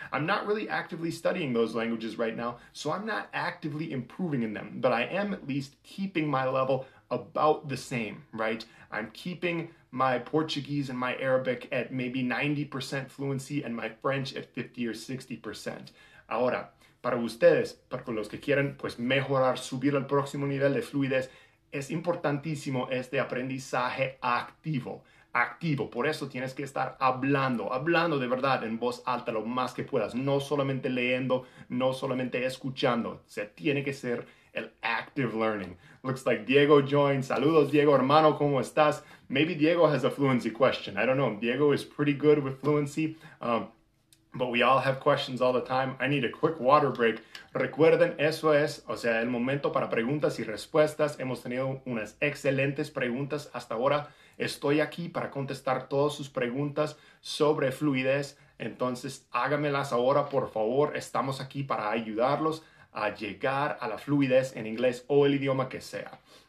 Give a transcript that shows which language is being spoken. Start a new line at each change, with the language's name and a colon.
English: I'm not really actively studying those languages right now, so I'm not actively improving in them. But I am at least keeping my level about the same, right? I'm keeping my Portuguese and my Arabic at maybe 90% fluency and my French at 50 or 60%.
Spanish: Ahora, para ustedes, para los que quieren pues mejorar, subir al próximo nivel de fluidez, es importantísimo este aprendizaje activo. Activo. Por eso tienes que estar hablando de verdad en voz alta lo más que puedas. No solamente leyendo, no solamente escuchando. O sea, tiene que ser el active learning.
English: Looks like Diego joined.
Spanish: Saludos, Diego, hermano, ¿cómo estás?
English: Maybe Diego has a fluency question. I don't know. Diego is pretty good with fluency. But we all have questions all the time. I need a quick water break.
Spanish: Recuerden, eso es, o sea, el momento para preguntas y respuestas. Hemos tenido unas excelentes preguntas hasta ahora. Estoy aquí para contestar todas sus preguntas sobre fluidez. Entonces, hágamelas ahora, por favor. Estamos aquí para ayudarlos a llegar a la fluidez en inglés o el idioma que sea.